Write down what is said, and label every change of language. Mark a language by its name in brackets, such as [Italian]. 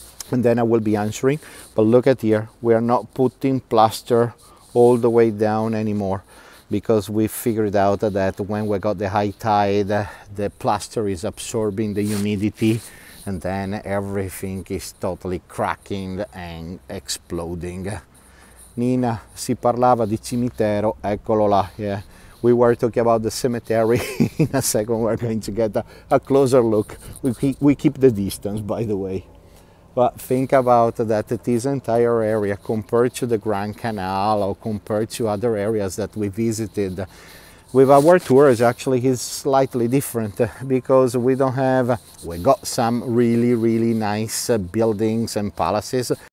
[English] and then I will be answering. But look at here, we are not putting plaster all the way down anymore, because we figured out that when we got the high tide, the plaster is absorbing the humidity, and then everything is totally cracking and exploding. [Italian] Nina, si parlava di cimitero, eccolo là. [English] Yeah, we were talking about the cemetery. In a second, we're going to get a closer look. We keep the distance, by the way. But think about that this entire area, compared to the Grand Canal or compared to other areas that we visited, with our tours actually is slightly different, because we don't have, we got some really, really nice buildings and palaces.